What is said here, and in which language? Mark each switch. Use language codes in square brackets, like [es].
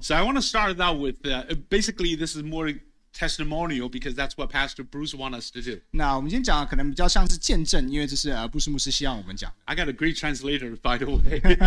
[en] So I want to start out with, basically this is more testimonial because that's what Pastor Bruce wants us to do. [zh] 那我们今天讲的可能比较像是见证，因为这是布什牧师希望我们讲。 [en] I got a great translator, by the way.